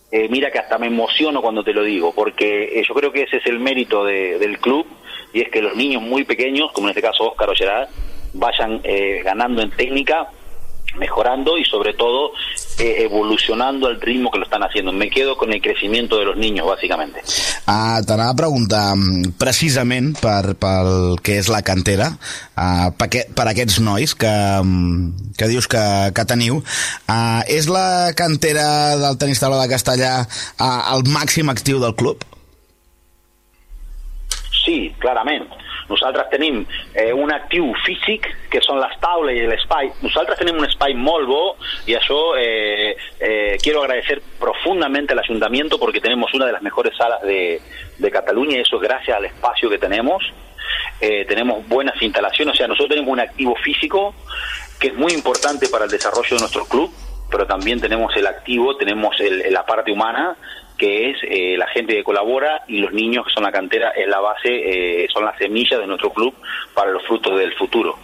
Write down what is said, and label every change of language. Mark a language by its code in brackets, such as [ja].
[es] Mira que hasta me emociono cuando te lo digo, porque yo creo que ese es el mérito del club, y es que los niños muy pequeños, como en este caso Óscar o Gerard, vayan ganando en técnica, mejorando y sobre todo evolucionando al ritmo que lo están haciendo. Me quedo con el crecimiento de los niños, básicamente. [ca] T'anava a preguntar precisament pel que és la cantera, per aquests nois que dius que teniu. És la cantera del tenis taula de Castellà el màxim actiu del club? Sí, clarament. Nosaltres tenim un actiu físic, que són les taules i l'espai. Nosaltres tenim un espai molt bo, i això [es] quiero agradecer profundamente al Ayuntamiento, porque tenemos una de las mejores salas de Cataluña, y eso es gracias al espacio que tenemos. Tenemos buenas instalaciones, o sea, nosotros tenemos un activo físico que es muy importante para el desarrollo de nuestro club, pero también tenemos el activo, tenemos la parte humana, que es la gente que colabora, y los niños que son la cantera, es la base, son las semillas de nuestro club para los frutos del futuro.